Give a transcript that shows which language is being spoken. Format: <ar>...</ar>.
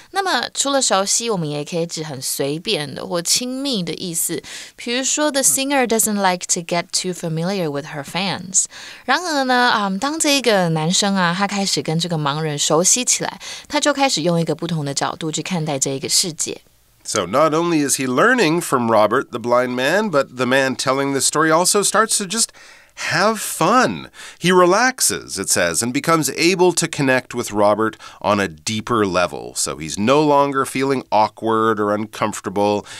<zh>那么除了熟悉，我们也可以指很随便的或亲密的意思。比如说</zh> <en>the singer doesn't like to get too familiar with her fans.</en> <zh>然而呢，当这个男生啊，他开始跟这个盲人熟悉起来，他就开始用一个不同的角度去看待这个世界。</zh> <en>So not only is he learning from Robert, the blind man, but the man telling the story also starts to just... Have fun. He relaxes, it says, and becomes able to connect with Robert on a deeper level. So he's no longer feeling awkward or uncomfortable.</en>